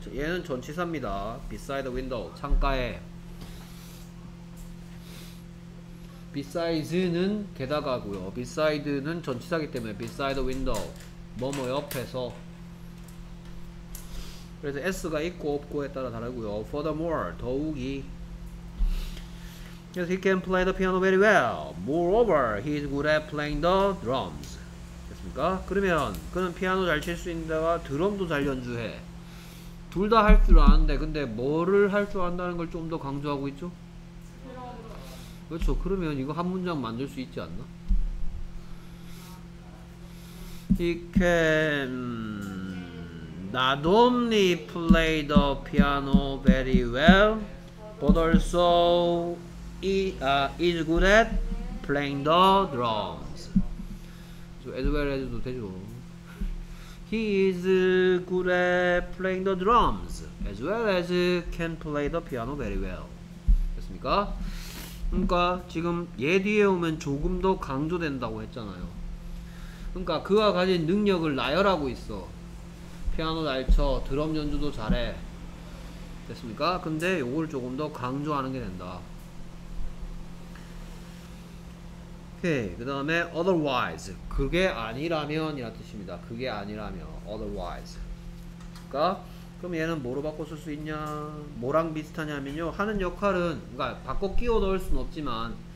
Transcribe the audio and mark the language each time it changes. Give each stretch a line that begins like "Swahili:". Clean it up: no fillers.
Korean: 얘는 전치사입니다
English: beside the window
Korean: 창가에
English: besides는 게다가고요 beside는 전치사이기 때문에 beside the window
Korean: 뭐뭐 옆에서 그래서
English: s가 있고 없고에 따라 다르고요 furthermore
Korean: 더욱이 그래서
English: he can play the piano very well moreover he is good at playing the drums
Korean: 됐습니까? 그러면 그는 피아노 잘 칠 수 있는데 드럼도 잘 연주해 둘 다 할 줄 아는데 근데 뭐를 할 줄 안다는 걸 좀 더 강조하고 있죠? 그렇죠 그러면 이거 한 문장 만들 수 있지 않나?
English: He can not only play the piano very well but also is good at playing the drums as well as도 되죠 He is good at playing the drums as well as can play the piano very well
Korean: 됐습니까? 그러니까 지금 얘 뒤에 오면 조금 더 강조된다고 했잖아요 그러니까 그와 가진 능력을 나열하고 있어 피아노 잘 쳐 드럼 연주도 잘해 됐습니까? 근데 요걸 조금 더 강조하는 게 된다 오케이 그 다음에 otherwise 그게 아니라면 이란 뜻입니다 그게 아니라면 otherwise 그러니까 그럼 얘는 뭐로 바꿔 쓸 수 있냐 뭐랑 비슷하냐면요 하는 역할은 그러니까 바꿔 끼워 넣을 순 없지만